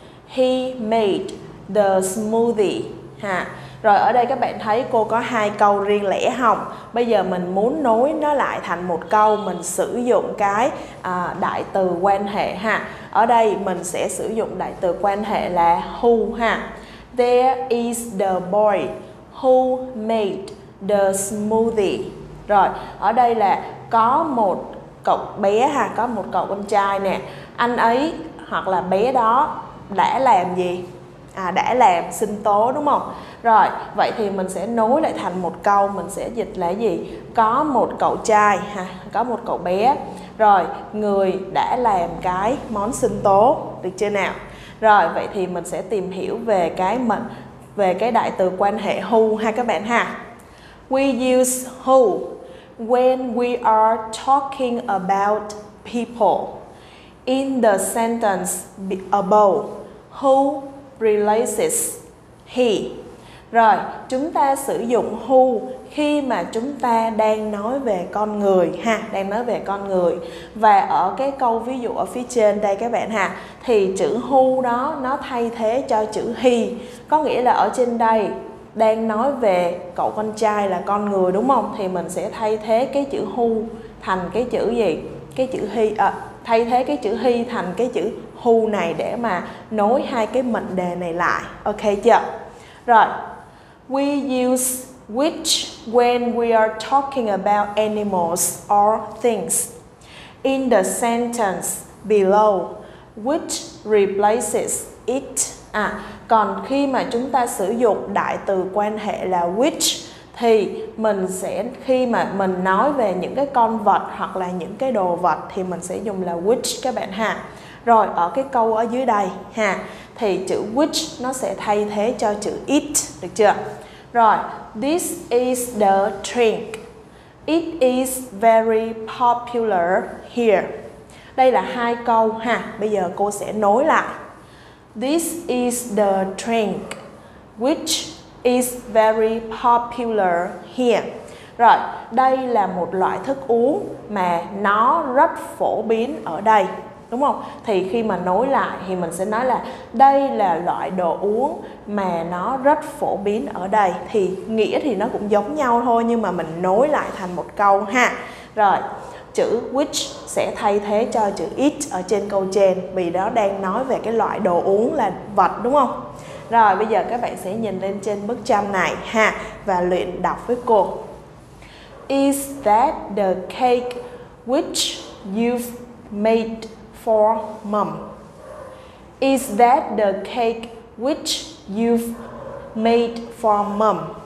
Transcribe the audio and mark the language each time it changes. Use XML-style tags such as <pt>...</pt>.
<en>He made the smoothie. Ha.</en> <vi>Rồi, ở đây các bạn thấy cô có hai câu riêng lẻ không? Bây giờ mình muốn nối nó lại thành một câu, mình sử dụng cái đại từ quan hệ ha. Ở đây mình sẽ sử dụng đại từ quan hệ là who ha.</vi> <en>There is the boy who made the smoothie.</en> <vi>Rồi, ở đây là có một cậu bé ha, có một cậu con trai nè. Anh ấy hoặc là bé đó đã làm gì? À, đã làm sinh tố đúng không? Rồi, vậy thì mình sẽ nối lại thành một câu, mình sẽ dịch là gì? Có một cậu trai ha, có một cậu bé. Rồi, người đã làm cái món sinh tố, được chưa nào? Rồi, vậy thì mình sẽ tìm hiểu về cái mình về cái đại từ quan hệ who ha các bạn ha.</vi> <en>We use who when we are talking about people. In the sentence above, who replaces he.</en> <vi>Rồi, chúng ta sử dụng who khi mà chúng ta đang nói về con người ha, đang nói về con người. Và ở cái câu ví dụ ở phía trên đây các bạn ha, thì chữ who đó nó thay thế cho chữ he. Có nghĩa là ở trên đây đang nói về cậu con trai là con người đúng không? Thì mình sẽ thay thế cái chữ who thành cái chữ gì? Cái chữ he, thay thế cái chữ he thành cái chữ who này để mà nối hai cái mệnh đề này lại. Ok chưa?</vi> <en>Rồi, we use which when we are talking about animals or things. In the sentence below, which replaces it?</en> <vi>À, còn khi mà chúng ta sử dụng đại từ quan hệ là which thì mình sẽ, khi mà mình nói về những cái con vật hoặc là những cái đồ vật thì mình sẽ dùng là which các bạn ha. Rồi, ở cái câu ở dưới đây ha, thì chữ which nó sẽ thay thế cho chữ it, được chưa?</vi> <en>Rồi, this is the drink. It is very popular here.</en> <vi>Đây là hai câu ha, bây giờ cô sẽ nối lại.</vi> <en>This is the drink which is very popular here.</en> <vi>Rồi, đây là một loại thức uống mà nó rất phổ biến ở đây, đúng không? Thì khi mà nối lại thì mình sẽ nói là đây là loại đồ uống mà nó rất phổ biến ở đây. Thì nghĩa thì nó cũng giống nhau thôi, nhưng mà mình nối lại thành một câu ha. Rồi, chữ which sẽ thay thế cho chữ it ở trên câu trên, vì đó đang nói về cái loại đồ uống là vật, đúng không? Rồi, bây giờ các bạn sẽ nhìn lên trên bức tranh này ha, và luyện đọc với cô.</vi> <en>Is that the cake which you've made for mum? Is that the cake which you've made for mum?</en>